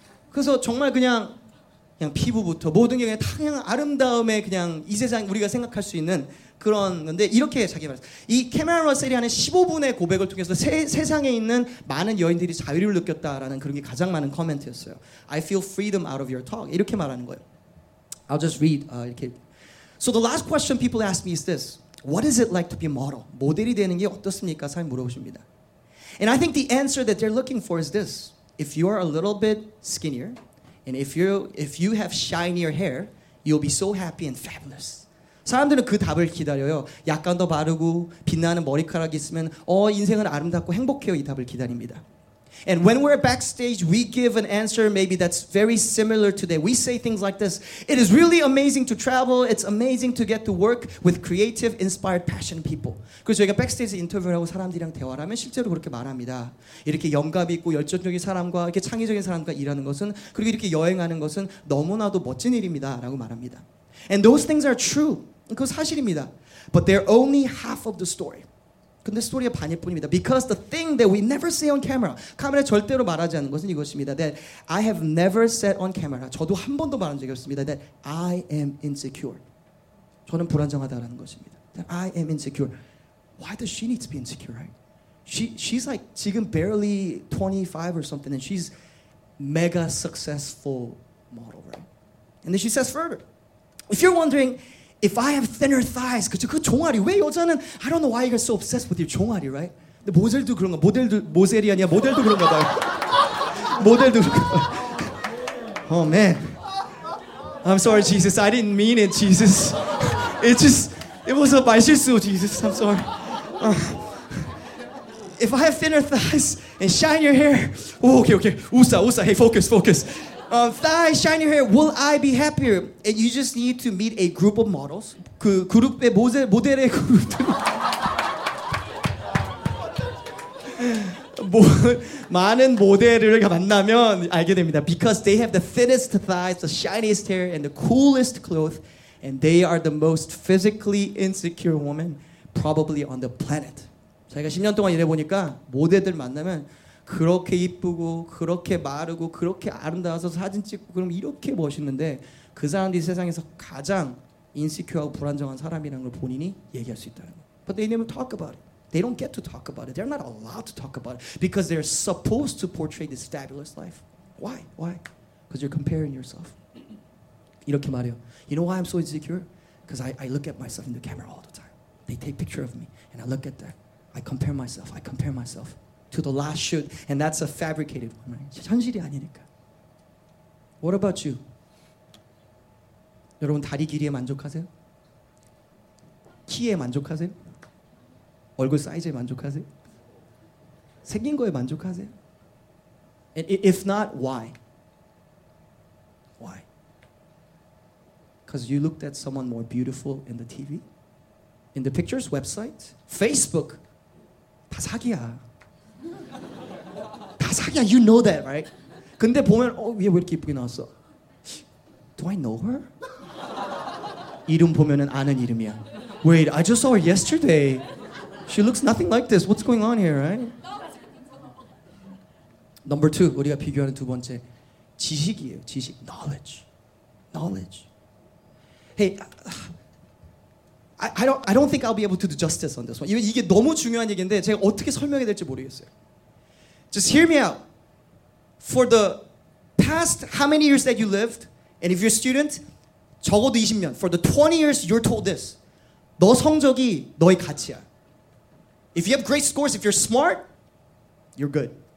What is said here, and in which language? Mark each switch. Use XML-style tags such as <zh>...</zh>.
<ko>그래서 정말 그냥 피부부터 모든 게 다 그냥 아름다움의 그냥 이 세상 우리가 생각할 수 있는 그런 건데 이렇게 자기 말했어요. 이 캐메런 러셀이 하는 15분의 고백을 통해서 세상에 있는 많은 여인들이 자유를 느꼈다라는 그런 게 가장 많은 코멘트였어요.</ko> <en>I feel freedom out of your talk.</en> <ko>이렇게 말하는 거예요.</ko> <en>I'll just read. 이렇게. So the last question people ask me is this. What is it like to be a model?</en> <ko>모델이 되는 게 어떻습니까? 사람이 물어보십니다.</ko> <en>And I think the answer that they're looking for is this. If you are a little bit skinnier, And if you have shinier hair, you'll be so happy and fabulous.</en> <ko>사람들은 그 답을 기다려요. 약간 더 바르고 빛나는 머리카락이 있으면 인생은 아름답고 행복해요. 이 답을 기다립니다.</ko> <en>And when we're backstage, we give an answer maybe that's very similar to that. We say things like this. It is really amazing to travel. It's amazing to get to work with creative, inspired, passionate people.</en> <ko>그래서 저희가 백스테이지 인터뷰를 하고 사람들이랑 대화를 하면 실제로 그렇게 말합니다. 이렇게 영감 있고 열정적인 사람과 이렇게 창의적인 사람과 일하는 것은 그리고 이렇게 여행하는 것은 너무나도 멋진 일입니다. 라고 말합니다.</ko> <en>And those things are true.</en> <ko>그거 사실입니다.</ko> <en>But they're only half of the story.</en> <ko>근데 스토리의 반일 뿐입니다.</ko> <en>Because the thing that we never say on camera,</en> <ko>카메라에 절대로 말하지 않는 것은 이것입니다.</ko> <en>That I have never said on camera,</en> <ko>저도 한 번도 말한 적이 없습니다.</ko> <en>That I am insecure.</en> <ko>저는 불안정하다라는 것입니다.</ko> <en>That I am insecure. Why does she need to be insecure, right? She's like 지금 barely 25 or something, and she's mega successful model, right? And then she says further, if you're wondering, If I have thinner thighs, 그쵸?</en> <ko>그 종아리, 왜 여자는</ko> <en>I don't know why you're so obsessed with your 종아리, right?</en> <ko>근데 모델도 그런가, 모델이 아니야, 모델도 그런가 봐요. 모델도 그런가.</ko> <en>Oh, man. I'm sorry, Jesus. I didn't mean it, Jesus. It was a 말실수, Jesus. I'm sorry. If I have thinner thighs and shinier hair, oh, okay. 우사. Hey, focus. Thighs, shiny hair, will I be happier? And you just need to meet a group of models.</en> <ko>그 그룹의 모델의 그룹들. 많은 모델을 만나면 알게 됩니다.</ko> <en>Because they have the thinnest thighs, the shiniest hair, and the coolest clothes, and they are the most physically insecure woman probably on the planet.</en> <ko>제가 10년 동안 일해보니까 모델들 만나면 그렇게 이쁘고 그렇게 마르고 그렇게 아름다워서 사진 찍고 그럼 이렇게 멋있는데 그 사람들이 세상에서 가장 인시큐어하고 불안정한 사람이라는 걸 본인이 얘기할 수 있다는 거.</ko> <en>But they never talk about it. They don't get to talk about it. They're not allowed to talk about it because they're supposed to portray this fabulous life. Why? Why? Because you're comparing yourself.</en> <ko>이렇게 말해요.</ko> <en>You know why I'm so insecure? Because I look at myself in the camera all the time. They take picture of me and I look at that. I compare myself. to the last shoot, and that's a fabricated one. Right?</en> <ko>현실이 아니니까.</ko> <en>What about you?</en> <ko>여러분 다리 길이에 만족하세요? 키에 만족하세요? 얼굴 사이즈에 만족하세요? 생긴 거에 만족하세요?</ko> <en>And if not, why? Why? Because you looked at someone more beautiful in the TV? In the pictures, website, Facebook.</en> <ko>다 사기야. 다 사기야.</ko> <en>You know that, right?</en> <ko>근데 보면 어, 얘 왜 이렇게 예쁘게 나왔어?</ko> <en>Do I know her?</en> <ko>이름 보면은 아는 이름이야.</ko> <en>Wait, I just saw her yesterday. She looks nothing like this. What's going on here, right? Number two,</en> <ko>우리가 비교하는 두 번째 지식이에요. 지식,</ko> <en>knowledge, knowledge. Hey. I don't think I'll be able to do justice on this one.</en> <ko>이게 너무 중요한 얘기인데 제가 어떻게 설명해야 될지 모르겠어요.</ko> <en>Just hear me out. For the past how many years that you lived, and if you're a student,</en> <ko>적어도 20년.</ko> <en>For the 20 years, you're told this.</en> <ko>너 성적이 너의 가치야.</ko> <en>If you have great scores, if you're smart, you're good.</en>